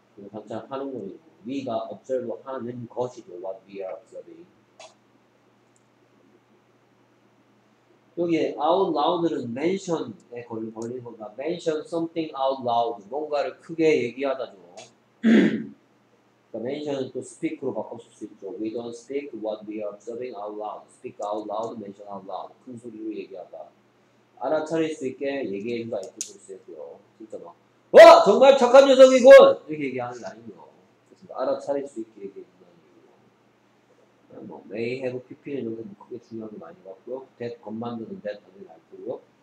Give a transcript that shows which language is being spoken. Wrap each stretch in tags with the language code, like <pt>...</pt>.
<ko>그 관찰하는 거. We가 observe 하는 것이죠.</ko> <en>What we are observing.</en> <ko>여기에 out loud는 mention에 걸리는 건가?</ko> <en>Mention something out loud.</en> <ko>뭔가를 크게 얘기하다죠. Mention은 또 speak로 바꿨을 수 있죠.</ko> <en>We don't speak what we are observing out loud. Speak out loud, mention out loud.</en> <ko>큰 소리로 얘기하다. 알아차릴 수 있게 얘기해준다. 이렇게 볼 수 있고요. 진짜 막, 와! 정말 착한 녀석이군! 이렇게 얘기하는 게 아니고요. 그래서 알아차릴 수 있게 얘기해준다는 얘기고요. 뭐, may have a PP는 이런 게 뭐 크게 중요한 게 많이 봤고요. That, 겉 만드는 that, 그게 알 거고요.</ko>